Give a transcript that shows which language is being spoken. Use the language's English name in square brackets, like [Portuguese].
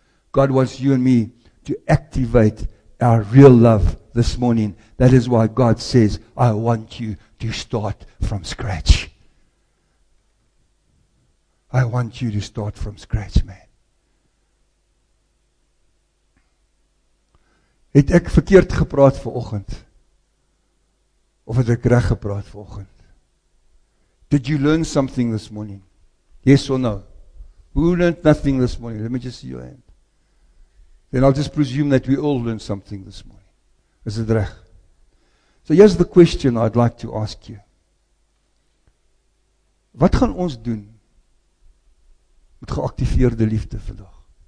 [English] God wants you and me to activate our real love this morning. That is why God says, I want you to start from scratch. I want you to start from scratch, man. [Afrikaans] Het ek verkeerd gepraat vanoggend? Of het ek reg gepraat vanoggend? [English] Did you learn something this morning? Yes or no? Who learned nothing this morning? Let me just see your hand. Then I'll just presume that we all learned something this morning. Is it reg? So here's the question I'd like to ask you. [Afrikaans] Wat gaan ons doen met geaktiveerde liefde vandag?